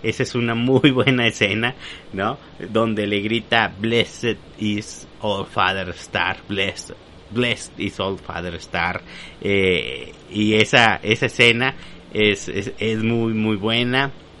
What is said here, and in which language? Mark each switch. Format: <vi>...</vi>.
<es>Esa es una muy buena escena, ¿no? Donde le grita:</es> <en>"Blessed is All Father Star,</en> <es>blessed is All Father Star". Y esa escena es muy muy buena.</es>